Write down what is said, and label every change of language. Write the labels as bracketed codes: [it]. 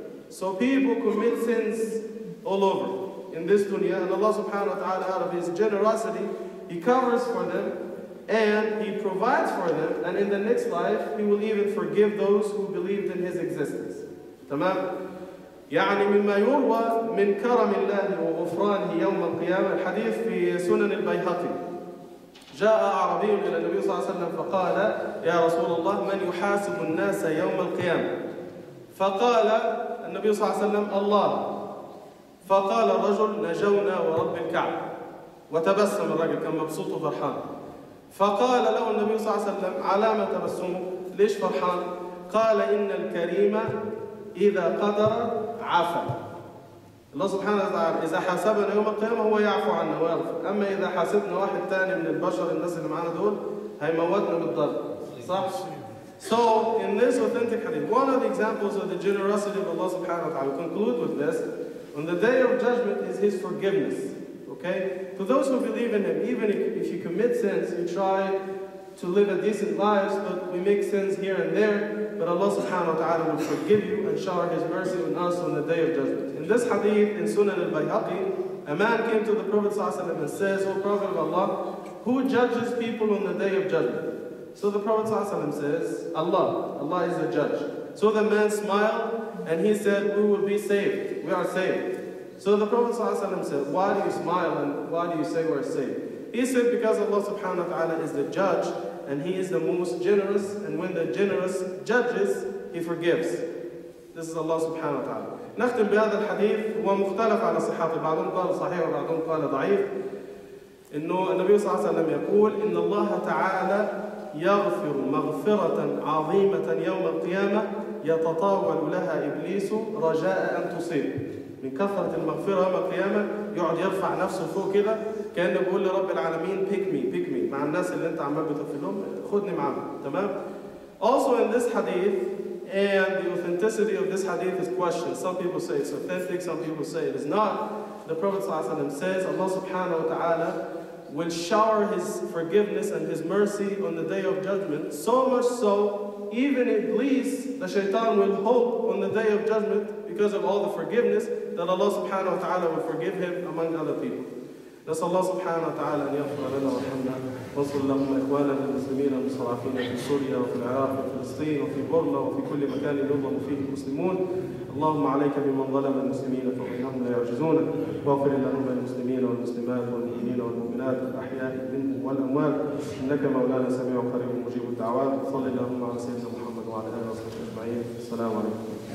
[en] So people commit sins all over in this dunya, and Allah subhanahu wa ta'ala, out of His generosity, He covers for them and He provides for them, and in the next life He will even forgive those who believed in His existence. [ar] تمام؟ يعني مما يروى من كرم الله وغفرانه يوم القيامة الحديث في سنن البيهقي. جاء عربي إلى النبي صلى الله عليه وسلم فقال يا رسول الله من يحاسب الناس يوم القيامة؟ فقال النبي صلى الله عليه وسلم الله. فقال الرجل نجونا ورب الكعبة. وتبسم الرجل كان مبسوط وفرحان. فقال له النبي صلى الله عليه وسلم علامة تبسمه؟ ليش فرحان؟ قال إن الكريم إذا قدر عفا. الله سبحانه وتعالى إذا حاسبنا يوم القيامة هو يعفو عنا ويغفر، أما إذا حاسبنا واحد تاني من البشر الناس اللي معانا دول هيموتنا بالضرب، صح؟ [en] So in this authentic hadith, one of the examples of the generosity of Allah subhanahu wa ta'ala, conclude with this, on the day of judgment is His forgiveness. Okay? To those who believe in Him, even if you commit sins, you try to live a decent life, but we make sins here and there, but Allah subhanahu wa ta'ala will forgive you and shower His mercy on us on the day of judgment. In this hadith, in Sunan al-Bayhaqi, a man came to the Prophet sallallahu alayhi wa sallam and says, O Prophet of Allah, who judges people on the day of judgment? So the Prophet sallallahu alayhi wa sallam says, Allah. Allah is the judge. So the man smiled and he said, we will be saved. We are saved. So the Prophet sallallahu alayhi wa sallam said, why do you smile and why do you say we are saved? He said, because Allah subhanahu wa ta'ala is the judge and He is the most generous, and when the generous judges, He forgives. This is Allah subhanahu wa ta'ala. [ar] نختم بهذا الحديث هو مختلف على صحات بعضهم قال صحيح وبعضهم قال ضعيف. إنه النبي صلى الله عليه وسلم يقول إن الله تعالى يغفر مغفرة عظيمة يوم القيامة يتطاول لها إبليس رجاء أن تصيب. من كثرة المغفرة يوم القيامة يقعد يرفع نفسه فوق كده كأنه يقول لرب العالمين [en] pick me [ar] مع الناس اللي انت عمال بتغفلهم خدني معاهم. تمام. [en] Also in this hadith, and the authenticity of this hadith is questioned. Some people say it's authentic, some people say it is not. The Prophet ﷺ says Allah subhanahu wa ta'ala will shower His forgiveness and His mercy on the day of judgment, so much so, even at least the shaitan will hope on the day of judgment because of all the forgiveness that Allah subhanahu wa ta'ala will forgive him among other people. [ar] نسأل الله سبحانه وتعالى أن يغفر لنا وارحمنا وانصر لهم إخواننا المسلمين المستضعفين في سوريا وفي العراق وفي فلسطين وفي بورما وفي كل مكان يظلم فيه المسلمون. اللهم عليك بمن ظلم المسلمين فإنهم لا يعجزونك. واغفر لهم المسلمين والمسلمات والمؤمنين والمؤمنات الأحياء منهم والأموات إنك مولانا سميع قريب مجيب الدعوات. صل اللهم على سيدنا محمد وعلى آله وصحبه أجمعين. السلام عليكم.